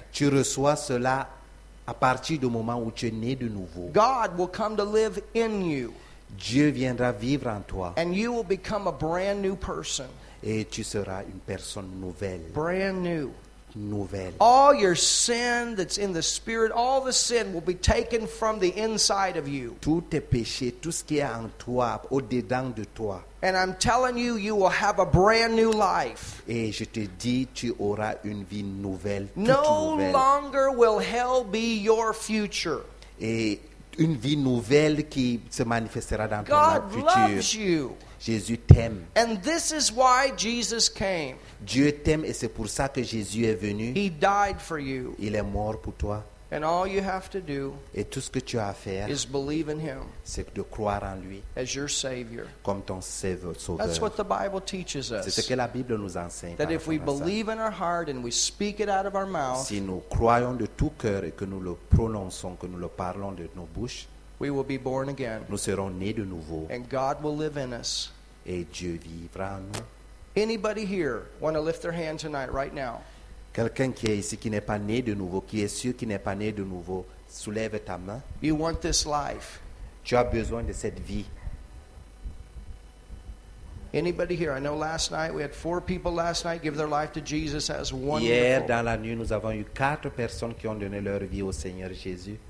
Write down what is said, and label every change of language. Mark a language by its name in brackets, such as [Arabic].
[French] Tu reçois cela à partir du moment où tu es né de nouveau. [English] God will come to live in you. [French] Dieu viendra vivre en toi. [English] And you will become a brand new person. [French] Et tu seras une personne nouvelle. [English] Brand new. [French] Nouvelle. [English] All your sin that's in the spirit, all the sin will be taken from the inside of you. [French] Tous tes péchés, tout ce qui est en toi, au dedans de toi. [English] And I'm telling you, you will have a brand new life. [French] Et je te dis, tu auras une vie nouvelle, toute nouvelle. [English] No longer will hell be your future. [French] Et une vie nouvelle qui se manifestera dans [English] God [French] ton futur. [English] God loves you. [French] Jésus t'aime. [English] And this is why Jesus came. [French] Dieu t'aime et c'est pour ça que Jésus est venu. [English] He died for you. [French] Il est mort pour toi. [English] And all you have to do [French] et tout ce que tu as à faire [English] is believe in him [French] c'est de croire en lui [English] as your savior. [French] Comme ton sauveur. [English] That's what the Bible teaches us. [French] C'est ce que la Bible nous enseigne. [English] That if we believe in our heart and we speak it out of our mouth [French] si nous croyons de tout cœur et que nous le prononçons, que nous le parlons de nos bouches [English] We will be born again. [French] Nous serons nés de nouveau. [English] And God will live in us. [French] Et Dieu vivra en nous. [English] Anybody here want to lift their hand tonight, right now? [French] Quelqu'un qui est ici qui n'est pas né de nouveau, qui est sûr qu'il n'est pas né de nouveau, soulève ta main. [English] You want this life. [French] Tu as besoin de cette vie. [English] Anybody here? I know last night we had 4 people last night give their life to Jesus as one. [French] Hier dans la nuit nous avons eu 4 personnes qui ont donné leur vie au Seigneur Jésus.